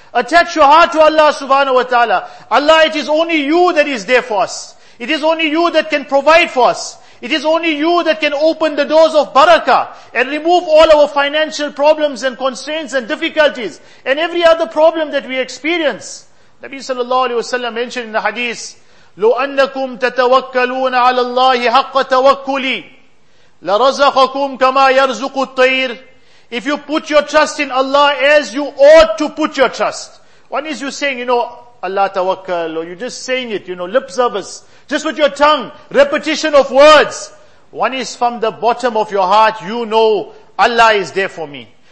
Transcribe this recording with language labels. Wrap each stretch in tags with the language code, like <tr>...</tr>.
<en>Attach your heart to Allah subhanahu wa ta'ala. Allah, it is only you that is there for us. It is only you that can provide for us. It is only you that can open the doors of barakah and remove all our financial problems and constraints and difficulties and every other problem that we experience. Nabi sallallahu alayhi wa sallam mentioned in the hadith,</en> <ar>لو أنكم تتوكلون على الله حق توكلي لرزقكم كما يرزق الطير.</ar> <en>If you put your trust in Allah as you ought to put your trust. One is you saying, you know, Allah tawakkal, or you just saying it, you know, lip service. Just with your tongue, repetition of words. One is from the bottom of your heart, you know Allah is there for me.</en>